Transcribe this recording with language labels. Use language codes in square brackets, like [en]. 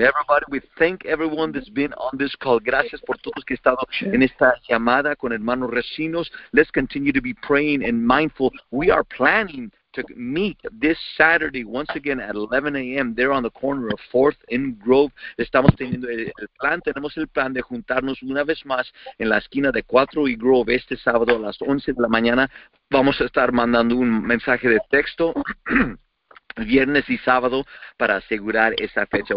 [en] Everybody, we thank everyone that's been on this call. [es] Gracias por todos que han estado en esta llamada con hermanos Recinos. [en] Let's continue to be praying and mindful. We are planning to meet this Saturday, once again, at 11 a.m., there on the corner of 4th and Grove. [es] Estamos teniendo el plan, tenemos el plan de juntarnos una vez más en la esquina de 4 y Grove este sábado a las 11 de la mañana. Vamos a estar mandando un mensaje de texto viernes y sábado para asegurar esa fecha.